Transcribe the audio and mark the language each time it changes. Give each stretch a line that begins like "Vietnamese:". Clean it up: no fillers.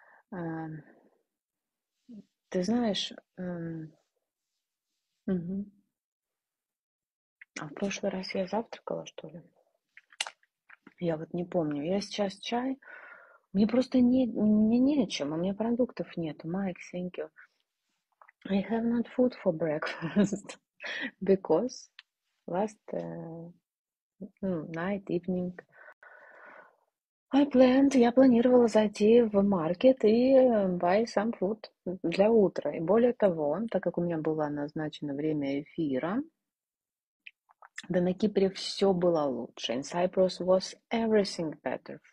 Russian: Ты знаешь, А в прошлый раз я завтракала, что ли? Я вот не помню. Я сейчас чай. Мне просто не о чем. У меня продуктов нет.
English: Майк, thank you. I have not food for breakfast because last night evening
Russian: Я планировала зайти в маркет и
English: buy some food
Russian: для утра. И более того, так как у меня было назначено время эфира, да на Кипре все было лучше.
English: In Cyprus was everything better.